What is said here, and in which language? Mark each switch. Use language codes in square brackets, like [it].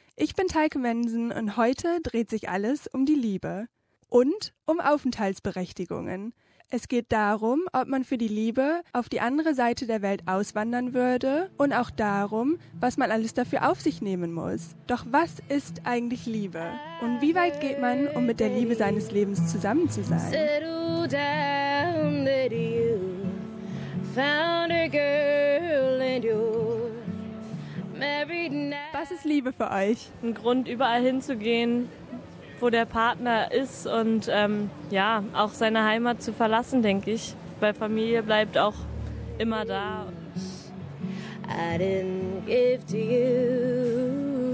[de] Ich bin Teike Mensen und heute dreht sich alles um die Liebe und um Aufenthaltsberechtigungen. Es geht darum, ob man für die Liebe auf die andere Seite der Welt auswandern würde und auch darum, was man alles dafür auf sich nehmen muss. Doch was ist eigentlich Liebe? Und wie weit geht man, um mit der Liebe seines Lebens zusammen zu sein? [en] Settle down that you found a girl and you're married now. [de] Was ist Liebe für euch? Ein Grund, überall hinzugehen, wo der Partner ist und auch seine Heimat zu verlassen, denke ich. Weil Familie bleibt auch immer da. [en] I didn't give to you